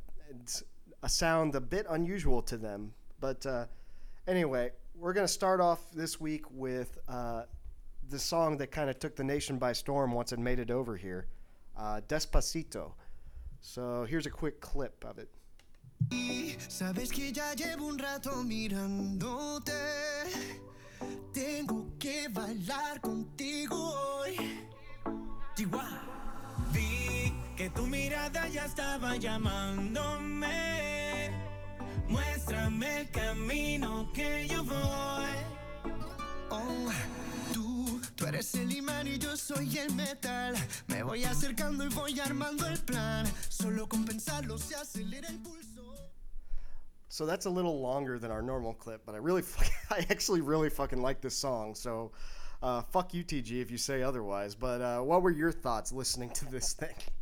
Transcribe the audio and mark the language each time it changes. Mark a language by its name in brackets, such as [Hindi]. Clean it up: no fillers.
[English] It's a sound a bit unusual to them. But anyway, we're going to start off this week with the song that kind of took the nation by storm once it made it over here, Despacito. So here's a quick clip of it. [Spanish] Sabes que ya llevo un rato mirándote. Tengo que bailar contigo hoy. Vi que tu mirada ya estaba llamándome. Muéstrame el camino que yo voy. Oh, tú eres el imán y yo soy el metal. Me voy acercando y voy armando el plan. Solo con pensarlo se acelera el pulso. [English] So that's a little longer than our normal clip, but I actually really fucking like this song. So fuck you, TG, if you say otherwise. But what were your thoughts listening to this thing?